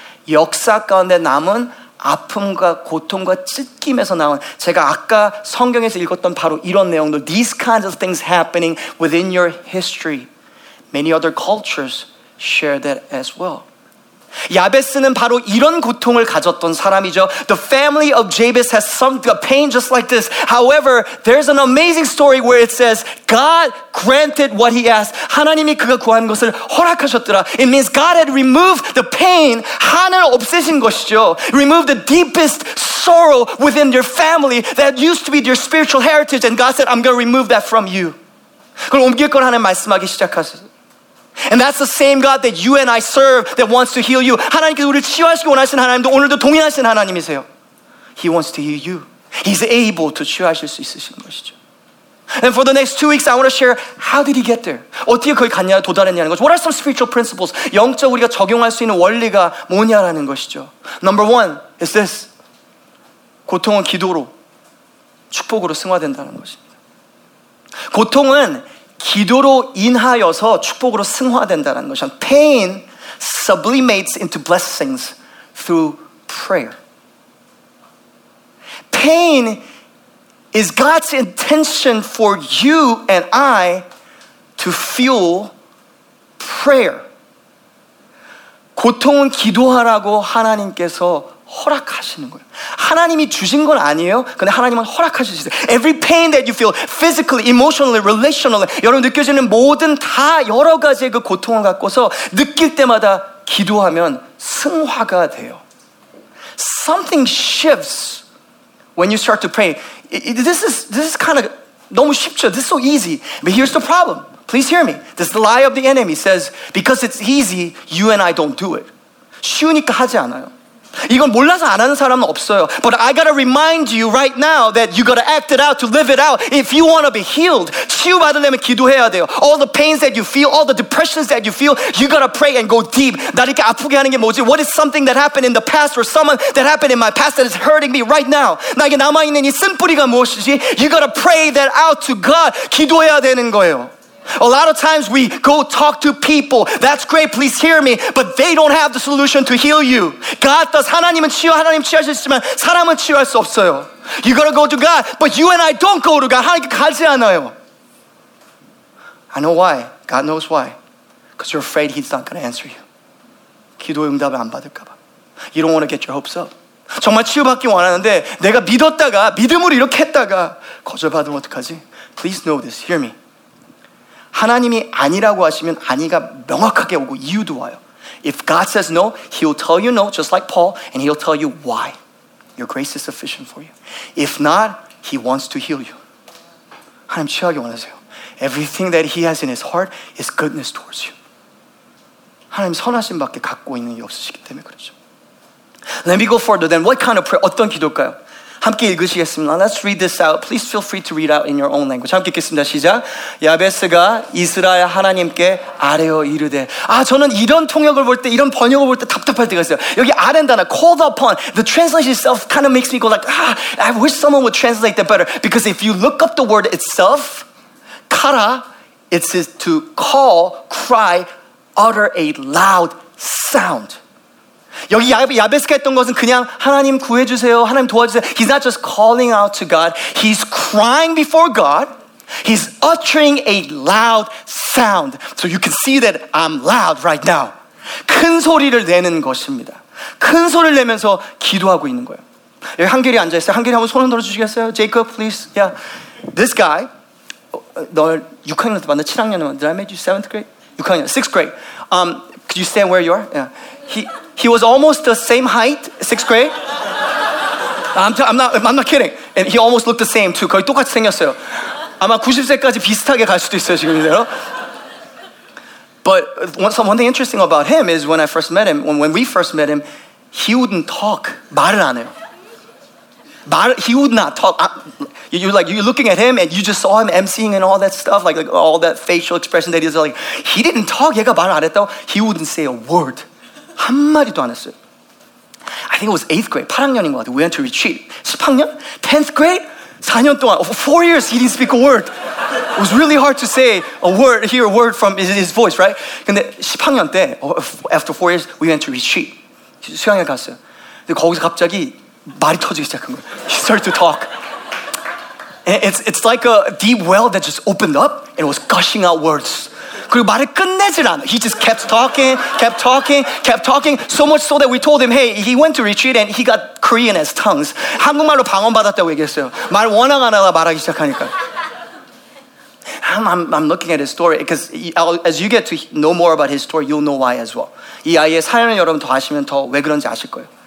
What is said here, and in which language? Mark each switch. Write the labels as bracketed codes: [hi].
[ko] 역사 가운데 남은 아픔과 고통과 찢김에서 나온 제가 아까 성경에서 읽었던 바로 이런 내용도 [en] these kinds of things happening within your history. Many other cultures share that as well. [ko] 야베스는 바로 이런 고통을 가졌던 사람이죠. [en] The family of Jabez has some pain just like this. However, there's an amazing story where it says God granted what he asked. [ko] 하나님이 그가 구한 것을 허락하셨더라. [en] It means God had removed the pain. [ko] 한을 없애신 것이죠. [en] Removed the deepest sorrow within your family that used to be your spiritual heritage. And God said, I'm going to remove that from you. [ko] 그걸 옮길 거라는 말씀하기 시작하셨어요. [en] And that's the same God that you and I serve that wants to heal you. [ko] 하나님께서 우리를 치유하시기 원하시는 하나님도 오늘도 동일하신 하나님이세요. [en] He wants to heal you. He's able to [ko] 치유하실 수 있으신 것이죠. [en] And for the next 2 weeks, I want to share how did he get there? [ko] 어떻게 거기 갔냐, 도달했냐는 거죠. [en] What are some spiritual principles? [ko] 영적 우리가 적용할 수 있는 원리가 뭐냐라는 것이죠. [en] Number one is this. [ko] 고통은 기도로, 축복으로 승화된다는 것입니다. 고통은 기도로 인하여서 축복으로 승화된다는 것이죠. [en] Pain sublimates into blessings through prayer. Pain is God's intention for you and I to fuel prayer. [ko] 고통은 기도하라고 하나님께서 허락하시는 거예요. 하나님이 주신 건 아니에요. 근데 하나님은 허락하셨어요. [en] Every pain that you feel physically, emotionally, relationally, [ko] 여러분 느껴지는 모든 다 여러 가지의 그 고통을 갖고서 느낄 때마다 기도하면 승화가 돼요. [en] Something shifts when you start to pray. This is kind of [ko] 너무 쉽죠. [en] This is so easy. But here's the problem. Please hear me. This is the lie of the enemy. It says because it's easy, you and I don't do it. [ko] 쉬우니까 하지 않아요. 이건 몰라서 안 하는 사람은 없어요. [en] But I gotta remind you right now that you gotta act it out to live it out. If you wanna be healed, [ko] 치유받으려면 기도해야 돼요. [en] All the pains that you feel, all the depressions that you feel, you gotta pray and go deep. [ko] 나 이렇게 아프게 하는 게 뭐지? [en] What is something that happened in the past or someone that happened in my past that is hurting me right now? [ko] 나에게 남아있는 이 쓴뿌리가 무엇이지? [en] You gotta pray that out to God. [ko] 기도해야 되는 거예요. [en] A lot of times we go talk to people. That's great, please hear me. But they don't have the solution to heal you. God does. [ko] 하나님은 치유, 하나님 치유하시지만 사람은 치유할 수 없어요. [en] You gotta go to God. But you and I don't go to God. [ko] 하나님께 가지 않아요. [en] I know why. God knows why. Because you're afraid he's not gonna answer you. [ko] 기도의 응답을 안 받을까 봐. [en] You don't wanna get your hopes up. [ko] 정말 치유받기 원하는데 내가 믿었다가 믿음으로 이렇게 했다가 거절받으면 어떡하지? [en] Please know this. Hear me. [ko] 하나님이 아니라고 하시면 아니가 명확하게 오고 이유도 와요. [en] If God says no, He'll tell you no, just like Paul, and He'll tell you why. Your grace is sufficient for you. If not, He wants to heal you. [ko] 하나님 치유하기 원하세요. [en] Everything that He has in His heart is goodness towards you. [ko] 하나님 선하신 밖에 갖고 있는 게 없으시기 때문에 그렇죠. [en] Let me go further then. What kind of prayer? [ko] 어떤 기도일까요? 함께 읽으시겠습니다. [en] Let's read this out. Please feel free to read out in your own language. [ko] 함께 읽겠습니다. 시작. 야베스가 이스라엘 하나님께 아뢰어 이르되. 아, 저는 이런 통역을 볼 때, 이런 번역을 볼 때 답답할 때가 있어요. 여기 아랜 단어, [en] called upon. The translation itself kind of makes me go like, I wish someone would translate that better. Because if you look up the word itself, 카라, it's to call, cry, utter a loud sound. [ko] 여기 야베스가 했던 것은 그냥 하나님 구해주세요, 하나님 도와주세요. [en] He's not just calling out to God. He's crying before God. He's uttering a loud sound. So you can see that I'm loud right now. [ko] 큰 소리를 내는 것입니다. 큰 소리를 내면서 기도하고 있는 거예요. 여기 한결이 앉아있어요. 한결이 한번 손을 들어주시겠어요? [en] Jacob, please. Yeah. This guy, [ko] 널 6학년 때 만나, 7학년 때 만나. [en] Did I meet you? 7th grade? 6학년, 6th grade. Could you stand where you are? Yeah. He was almost the same height, 6th grade. I'm not kidding. And he almost looked the same too. [ko] 거의 똑같이 생겼어요. 아마 90세까지 비슷하게 갈 수도 있어요, 지금 이대로. [en] But one thing interesting about him is when I first met him, when we first met him, he wouldn't talk. [ko] 말을 안 해요. [en] He would not talk. You're looking at him and you just saw him emceeing and all that stuff, like all that facial expression that he does. Like, he didn't talk. [ko] 얘가 말을 안 했다고. [en] He wouldn't say a word. [ko] 한마디도 안 했어요. [en] I think it was 8th grade, [ko] 8학년인 것 같아요. [en] We went to retreat. [ko] 10학년? [en] 10th grade? [ko] 4년 동안. [en] For 4 years, he didn't speak a word. It was really hard to say a word, hear a word from his voice, right? [ko] 근데 10학년 때, [en] after 4 years, we went to retreat. [ko] 수양에 갔어요. 근데 거기서 갑자기 말이 터지기 시작한 거예요. [en] He started to talk. And it's like a deep well that just opened up and it was gushing out words. [ko] 그리고 말을 끝내질 않아. [en] He just kept talking, so much so that we told him, hey, he went to retreat and he got Korean as tongues. [ko] 한국말로 방언받았다고 얘기했어요. 말 워낙 안 하다 말하기 시작하니까. [en] I'm looking at his story because as you get to know more about his story, you'll know why as well. [ko] 이 아이의 사연을 여러분 더 아시면 더 왜 그런지 아실 거예요.